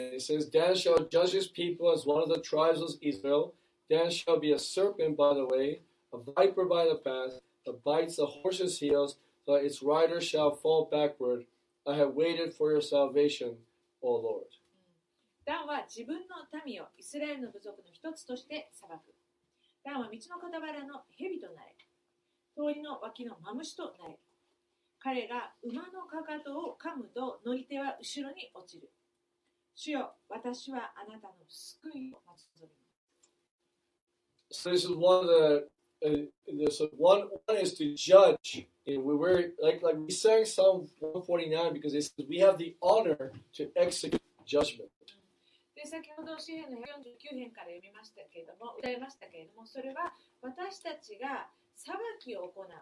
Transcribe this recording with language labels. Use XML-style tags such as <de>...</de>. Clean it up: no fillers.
<en>And it says, Dan shall judge his people as one of the tribes of Israel. Dan shall be a serpent by the way, a viper by the path, that bites the horse's heels, so that its rider shall fall backward. I have waited for your salvation, O Lord.</en> <ja>ダンは自分の民をイスラエルの部族の一つとして裁く。ダンは道の傍らの蛇となれ、通りの脇のマムシとなれ。彼が馬のかかとを噛むと乗り手は後ろに落ちる。主よ、私はあなたの救いを待ち望みます。</ja> <en>So this is one of the, so one is to judge. We were like we sang Psalm 149 because it says we have the honor to execute judgment.</en> <ja>で先ほど詩編の49編から読みましたけれども、歌いましたけれども、それは私たちが裁きを行う。</ja>